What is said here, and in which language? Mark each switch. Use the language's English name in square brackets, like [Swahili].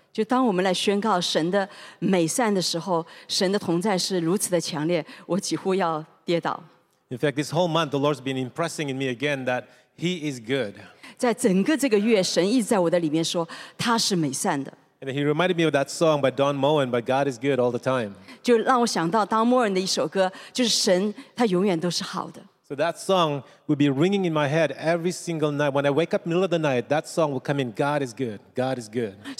[Chinese] 就当我们来宣告神的美善的时候，神的同在是如此的强烈，我几乎要跌倒。 [English] In fact, this whole month, the Lord's been impressing in me again that He is good. [Chinese] 在整个这个月，神一直在我的里面说，他是美善的。 [English] And he reminded me of that song by Don Moen, "But God is good all the time." [Chinese] 就让我想到 Don Moen 的一首歌，就是神，他永远都是好的。 [English] So that song would be ringing in my head every single night. When I wake up in the middle of the night, that song would come in, "God is good, God is good."